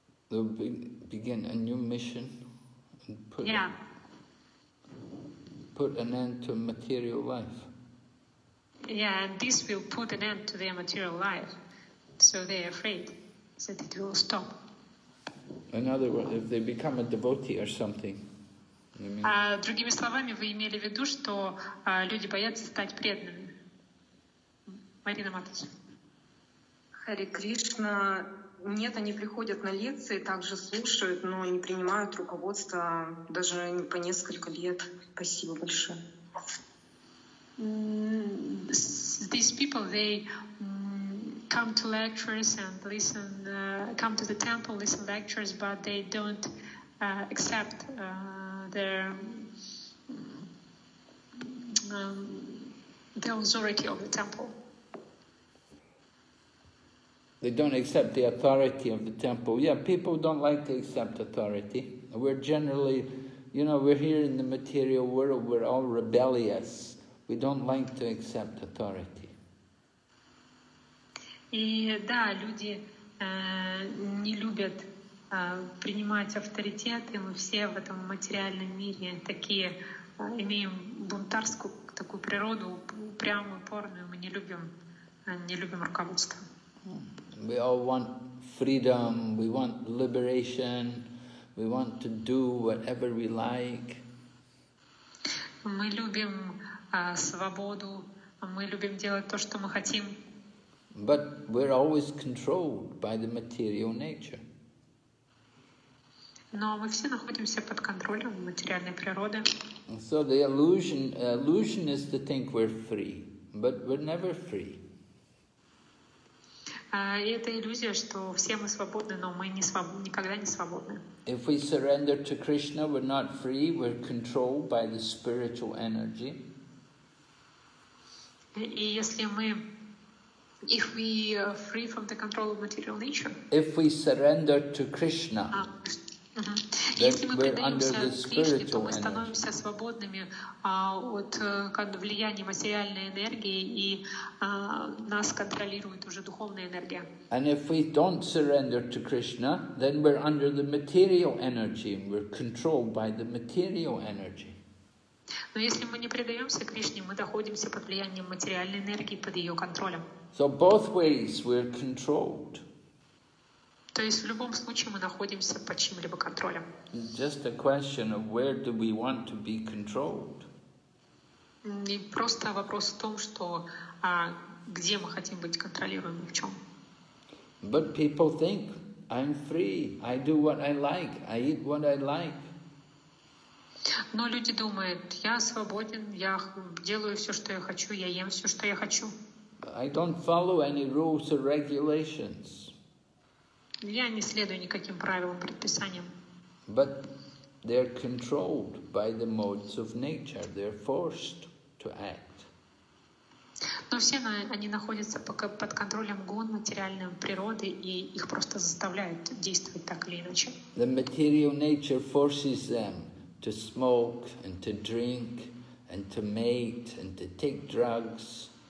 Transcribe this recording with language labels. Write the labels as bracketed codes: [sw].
[en] They'll begin a new mission and put an end to material life. Yeah, and this will put an end to their material life. So they're afraid that it will stop. In other words, if they become a devotee or something. [ru] Другими словами, вы имели в виду, что люди боятся стать преданными. Марина Матвеевна. Харе Кришна. Нет, они приходят на лекции, также слушают, но не принимают руководство даже по несколько лет. Спасибо большое. [en] These people, they come to lectures and listen, come to the temple, listen lectures, but they don't accept the authority of the temple. They don't accept the authority of the temple. Yeah, people don't like to accept authority. We're generally, you know, we're here in the material world, we're all rebellious. We don't like to accept authority. [ru] И да, люди не любят принимать авторитет, и мы все в этом материальном мире такие, имеем бунтарскую такую природу, упрямую, упорную, мы не любим руководство. [en] We all want freedom, we want liberation, we want to do whatever we like. [ru] Мы любим свободу, мы любим делать то, что мы хотим. [en] But we're always controlled by the material nature. [ru] Но мы все находимся под контролем материальной природы. [en] So the illusion is to think we're free, but we're never free. [ru] Это иллюзия, что все мы свободны, но мы никогда не свободны. [en] If we surrender to Krishna, we're not free, we're controlled by the spiritual energy. [ru] И если мы, [en] if we are free from the control of material nature. If we surrender to Krishna, we're under the spiritual energy. [ru] Если мы предаемся Кришне, то мы становимся свободными от влияния материальной энергии, и нас контролирует уже духовная энергия. [en] And if we don't surrender to Krishna, then we're under the material energy, we're controlled by the material energy. [ru] Но если мы не предаемся Кришне, мы находимся под влиянием материальной энергии, под ее контролем. [en] So both ways we're controlled. [ru] То есть в любом случае мы находимся под чьим-либо контролем. [en] Just a question of where do we want to be controlled. [ru] И просто вопрос в том, что где мы хотим быть контролируемыми, в чем. [en] But people think I'm free. I do what I like. I eat what I like. [ru] Но люди думают, я свободен, я делаю все, что я хочу, я ем все, что я хочу. [en] I don't follow any rules or regulations. [ru] Я не следую никаким правилам, предписаниям. [en] But they're controlled by the modes of nature. They're forced to act. [ru] Но все они находятся под контролем гон материальной природы, и их просто заставляют действовать так или иначе. [en] The material nature forces them to smoke and to drink and to mate and to take drugs.